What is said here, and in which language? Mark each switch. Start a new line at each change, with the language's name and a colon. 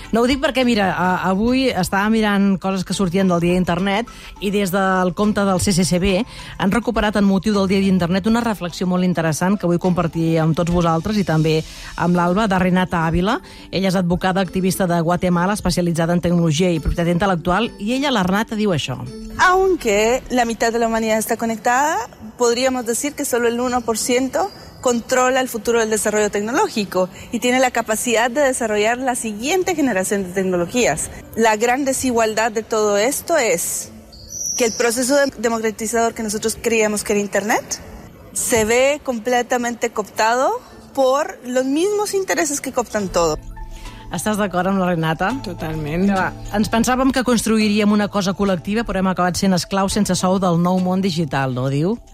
Catalan: No ho dic perquè, mira, avui estava mirant coses que sortien del dia d'internet i des del compte del CCCB han recuperat en motiu del dia d'internet una reflexió molt interessant que vull compartir amb tots vosaltres i també amb l'Alba, de Renata Ávila. Ella és advocada activista de Guatemala, especialitzada en tecnologia i propietat intel·lectual, i ella, la Renata, diu això.
Spanish: Aunque la mitad de la humanidad está conectada, podríamos decir que solo el 1% controla el futuro del desarrollo tecnológico y tiene la capacidad de desarrollar la siguiente generación de tecnologías. La gran desigualdad de todo esto es que el proceso democratizador que nosotros creíamos que era Internet se ve completamente cooptado por los mismos intereses que cooptan todo.
Catalan: Estàs d'acord amb la Renata? Totalment. Ja, ens pensàvem que construiríem una cosa col·lectiva, però hem acabat sent esclaus sense sou del nou món digital, no, diu?